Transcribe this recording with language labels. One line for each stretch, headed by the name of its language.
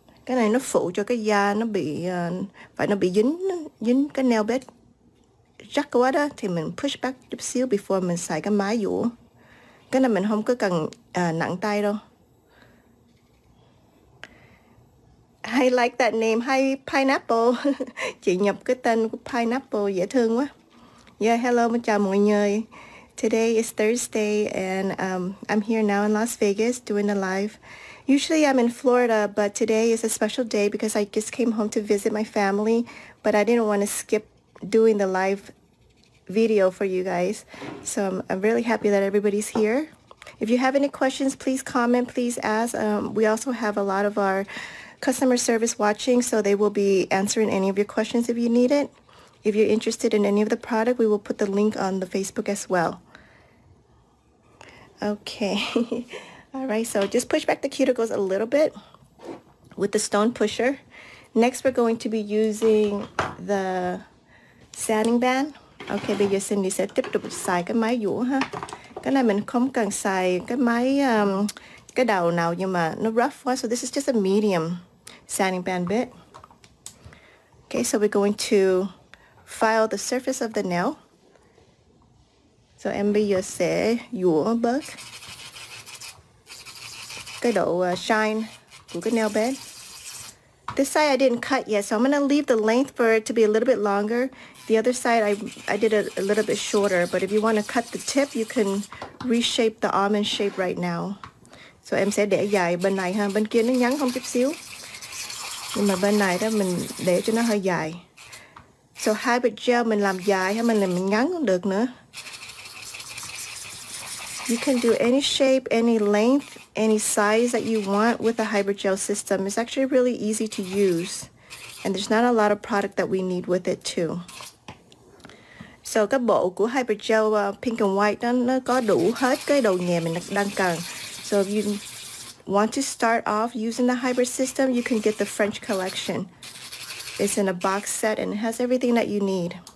Vietnamese: Cái này nó phụ cho cái da nó bị phải nó bị dính cái nail bed rắc quá đó thì mình push back chút xíu before mình xài cái máy dũa. Cái này mình không có cần nặng tay đâu.
English: I like that name. Hi, Pineapple.
Vietnamese: Chị nhập cái tên của Pineapple dễ thương quá.
English: Yeah, hello,
Vietnamese: chào mọi người.
English: Today is Thursday and I'm here now in Las Vegas doing a live. Usually I'm in Florida, but today is a special day because I just came home to visit my family, but I didn't want to skip doing the live video for you guys. So I'm really happy that everybody's here. If you have any questions, please comment, please ask. We also have a lot of our customer service watching, so they will be answering any of your questions if you need it. If you're interested in any of the product, we will put the link on the Facebook as well. Okay. All right, so just push back the cuticles a little bit with the stone pusher. Next we're going to be using the sanding band.
Vietnamese: Okay, bây giờ Cindy sẽ tiếp tục xài cái máy dũa ha. Cái này mình không cần xài cái máy cái đầu nào, nhưng mà nó rough quá.
English: So this is just a medium sanding band bit. Okay, so we're going to file the surface of the nail.
Vietnamese: So em bây giờ sẽ dũa bớt cái độ shine của cái nail bed.
English: This side I didn't cut yet, so I'm going to leave the length for it to be a little bit longer. The other side I did a little bit shorter, but if you want to cut the tip, you can reshape the almond shape right now.
Vietnamese: So em sẽ để dài bên này ha, bên kia nó nhắn không chút xíu. Nhưng mà bên này đó mình để cho nó hơi dài. So Hypergel mình làm dài hay mình làm ngắn cũng được nữa.
English: You can do any shape, any length, any size that you want with a hydrogel system. It's actually really easy to use. And there's not a lot of product that we need with it too.
Vietnamese: So các bộ của hydrogel pink and white nó có đủ hết cái đồ nghề mình đang cần.
English: So if you want to start off using the hybrid system, you can get the French collection. It's in a box set and it has everything that you need.